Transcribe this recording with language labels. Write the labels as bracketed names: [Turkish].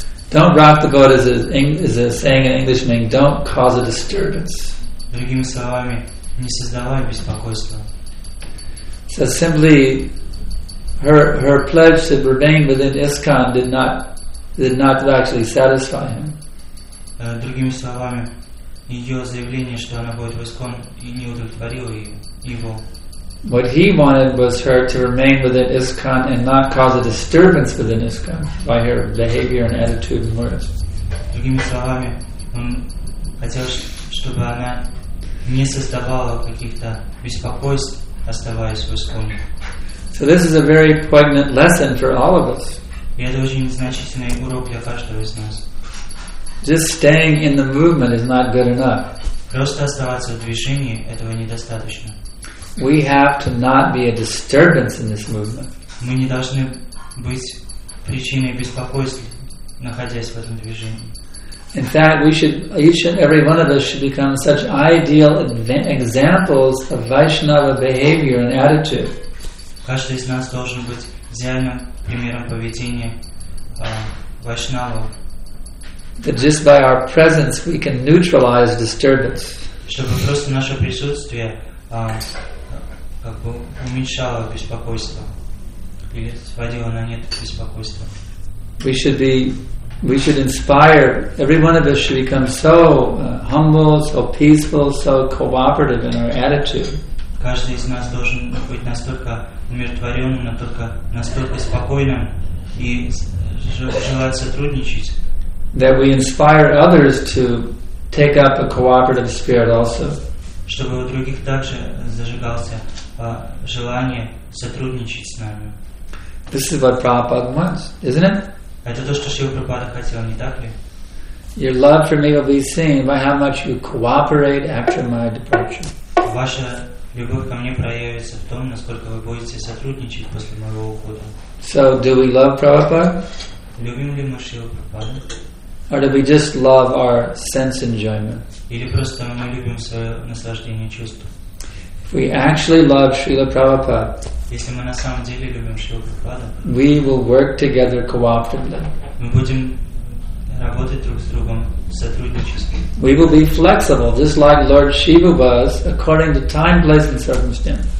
[English] Don't rock the boat is a saying in English meaning don't cause a disturbance. [Russian] Другими словами, не создавай беспокойства. [English] So simply, her pledge to remain within ISKCON did not actually satisfy him. [Russian] Другими словами, ее заявление, что она будет в ISKCON, не удовлетворило его. [English] What he wanted was her to remain within ISKCON and not cause a disturbance within ISKCON by her behavior and attitude and words. [Russian] Другими словами, он хотел, чтобы она не создавала каких-то беспокойств, оставаясь в ISKCON. [English] So this is a very poignant lesson for all of us. [Russian] И это очень значительный урок для каждого из нас. [English] Just staying in the movement is not good enough. [Russian] Просто оставаться в движении этого недостаточно. [English] We have to not be a disturbance in this movement. [Russian] Мы не должны быть причиной беспокойства, находясь в этом движении. [English] In fact, we should each and every one of us should become such ideal examples of Vaishnava behavior and attitude. [Russian] Каждый из нас должен быть идеальным примером поведения вайшнава. [English] That just by our presence we can neutralize disturbance. [Russian] Чтобы просто наше присутствие как бы уменьшало беспокойство или сводило на нет беспокойство. [English] We should be We should inspire, every one of us should become so humble, so peaceful, so cooperative in our attitude. [Russian] Каждый из нас должен быть настолько умиротворенным, настолько спокойным и желать сотрудничать. [English] That we inspire others to take up a cooperative spirit also. [Russian] Чтобы у других также зажигался желание сотрудничать с нами. [English] This is what Prabhupada wants, isn't it? [Russian] Это то, что Шрила Прабхупада хотел, не так ли? [English] Your love for me will be seen by how much you cooperate after my departure. [Russian] Ваша любовь ко мне проявится в том, насколько вы будете сотрудничать после моего ухода. [English] So, do we love Prabhupada? [Russian] Любим ли мы Шрила Прабхупада? [English] Or do we just love our sense enjoyment? [Russian] Или просто мы любим свое наслаждение чувств? [English] If we actually love Шрила Прабхупада, [Russian] если мы на самом деле любим Шрилу Прабхупаду, [English] we will work together cooperatively. [Russian] Мы будем работать друг с другом в сотрудничестве. [English] We will be flexible, just like Lord Shiva was, according to time, place, and circumstance.